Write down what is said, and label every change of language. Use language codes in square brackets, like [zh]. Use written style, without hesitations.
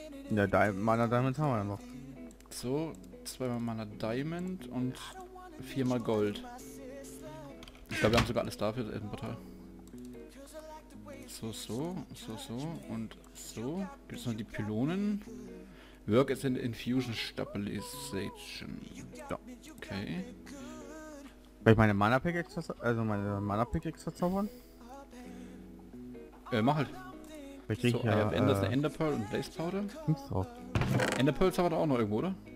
[de] Ja, Mana Diamond haben wir ja noch. So, zweimal Mana Diamond und viermal Gold. Ich glaube, wir haben sogar alles da für das Portal. So, und so. Gibt es noch die Pylonen? [en] Work as an Infusion Stabilization. [de] Ja. Okay. Will ich meine Mana Pickaxe verzaubern? Mach halt. Ich krieg so, ja, das ist eine Enderpearl und Blaze Powder. Enderpearls haben wir da auch noch irgendwo, oder?